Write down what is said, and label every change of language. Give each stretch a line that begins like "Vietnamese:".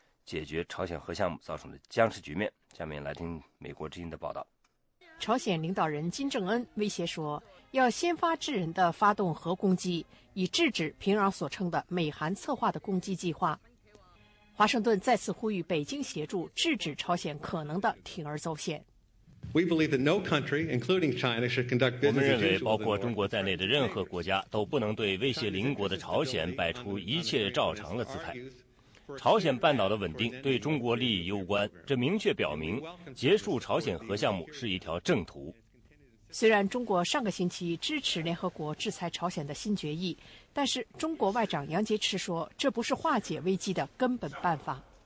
Chinese: 解决朝鲜核项目造成的僵持局面。下面来听美国之音的报道。朝鲜领导人金正恩威胁说，要先发制人的发动核攻击，以制止平壤所称的美韩策划的攻击计划。华盛顿再次呼吁北京协助制止朝鲜可能的铤而走险。
English: We believe that no country, including China, should conduct business.
Chinese: 我们认为，包括中国在内的任何国家都不能对威胁邻国的朝鲜摆出一切照常的姿态。朝鲜半岛的稳定对中国利益攸关，这明确表明结束朝鲜核项目是一条正途。虽然中国上个星期支持联合国制裁朝鲜的新决议，但是中国外长杨洁篪说，这不是化解危机的根本办法。